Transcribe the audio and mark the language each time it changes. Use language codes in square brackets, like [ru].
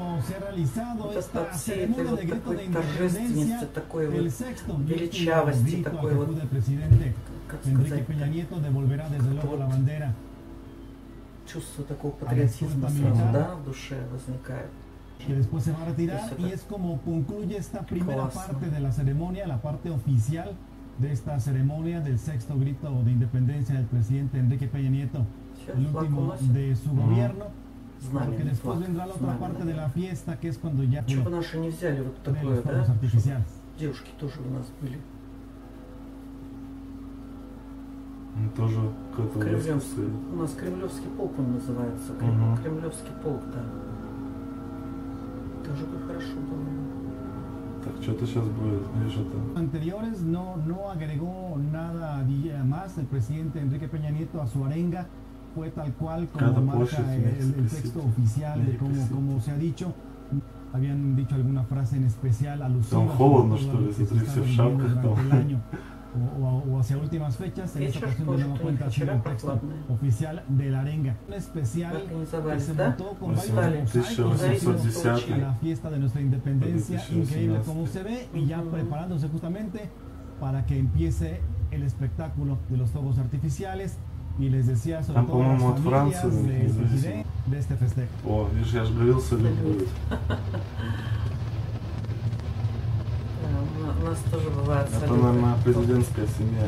[ru] Это по всей этой вот такой торжественности, такой вот величавости, такой вот, как сказать, чувство такого патриотизма сразу, да, в душе возникает. [es] Que después se va a retirar y es como concluye esta primera parte de la ceremonia, la parte oficial de esta ceremonia del sexto grito de independencia del presidente Enrique Peña Nieto, el último de su gobierno. [ru] Знамя, не флаг, знамя, да. Чего бы наши не взяли вот такое, да? Девушки тоже у нас были. Мы тоже кремлевские. У нас кремлевский полк он называется. Угу. Кремлевский полк, да. Тоже бы хорошо было. Так, что-то сейчас будет, знаешь, это... [es] Anteriores no agregó nada más el presidente Enrique Peña Nieto a su arenga. Fue tal cual como marca el texto oficial, de como se ha dicho. Habían dicho alguna frase en especial alusiva. [ru] Tan холодно, что ли, смотри, все в шапках там. [es] O hacia últimas fechas, en esta ocasión de nueva cuenta, ha sido el texto oficial de la arenga. Un especial que se montó con varios mosaicos en la fiesta de nuestra independencia. Increíble como se ve, y ya preparándose justamente para que empiece el espectáculo de los fuegos artificiales. [ru] И [es] les decía, [ru] там, по-моему, от Франции независимо. О, видишь, я же говорил, что это будет. У нас тоже бывает салюты. Это, наверное, президентская семья.